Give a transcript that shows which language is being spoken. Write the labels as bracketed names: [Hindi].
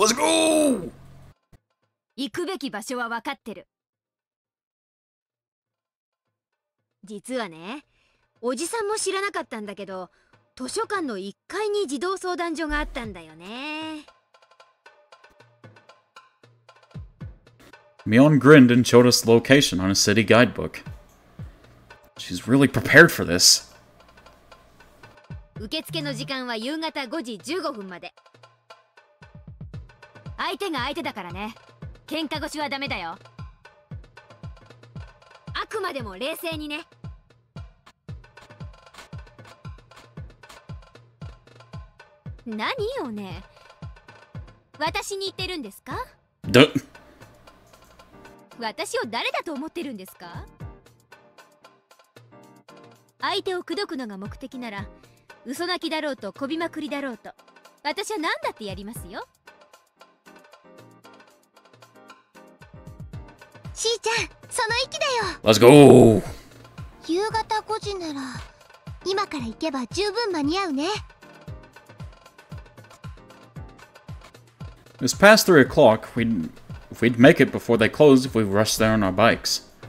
[English] Let's go! [Japanese] 行くべき場所は分かってる。実はね、おじさんも知らなかったんだけど、図書館の1階に児童相談所があったんだよね。 [English] Mion grinned and showed us the location on a city guidebook. She's really prepared for this. [Japanese] 受付の時間は夕方5時15分まで。相手が相手だからね。喧嘩腰はダメだよ。あくまでも冷静にね。何よね。私に言ってるんですか？私を誰だと思ってるんですか？相手を口説くのが目的なら、嘘泣きだろうとこびまくりだろうと、私は何だってやりますよ。しーちゃん、その息だよ。 [English] Let's go! [Japanese] 夕方5時なら、今から行けば十分間に合うね。 [English] It's past 3 o'clock. If we'd make it before they closed if we rushed there on our bikes.